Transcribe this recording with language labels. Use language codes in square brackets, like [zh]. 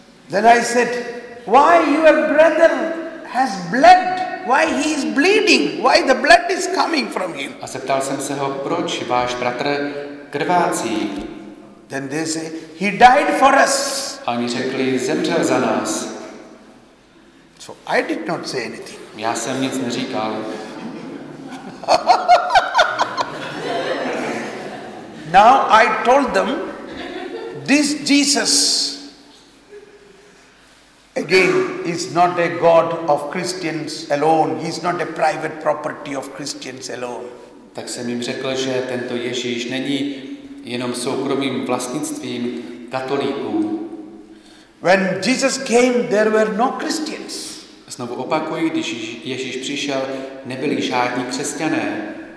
[en] Then I said, why your brother has blood? Why he is bleeding? Why the blood is coming from him? [cs] A zeptal jsem se ho, proč váš bratr krvácí? [en] Then they say, he died for us. [cs] A oni řekli, zemřel za nás. [en] So I did not say anything. [cs] Já jsem nic neříkal. [en] Now I told them, this Jesus again is not a God of Christians alone. He is not a private property of Christians alone. [cs] Tak jsem jim řekl, že tento Ježíš není jenom soukromým vlastnictvím katolíků. [en] When Jesus came, there were no Christians. [cs] Znovu opakuji, když Ježíš přišel, nebyli žádní křesťané.